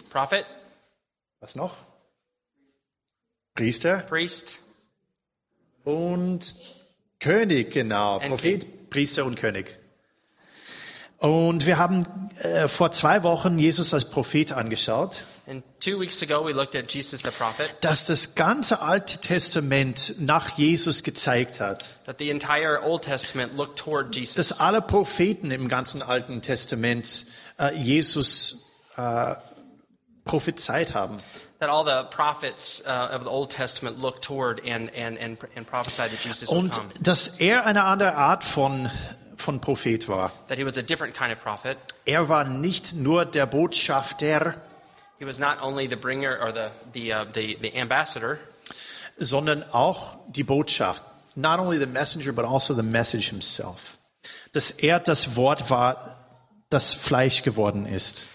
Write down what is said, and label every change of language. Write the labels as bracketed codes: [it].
[de] Prophet. Was noch? Priester. [en] Priest. [de] Und König, genau. [en] And Prophet, King. [de] Priester und König. Und wir haben vor zwei Wochen Jesus als Prophet angeschaut. [en] And 2 weeks ago we looked at Jesus the prophet. [de] Dass das ganze Alte Testament nach Jesus gezeigt hat. [en] That the entire Old Testament looked toward Jesus. [de] Dass alle Propheten im ganzen Alten Testament Jesus prophezeit haben. [en] That all the prophets of the Old Testament looked toward and prophesied that Jesus would come. [de] Und dass eine andere Art von Prophet war. [en] That he was a different kind of prophet. [de] War nicht nur der Botschafter. [en] He was not only the bringer or the ambassador, [de] sondern auch die Botschaft. [en] Not only the messenger, but also the message himself. [de] Dass das Wort war, das Fleisch geworden ist.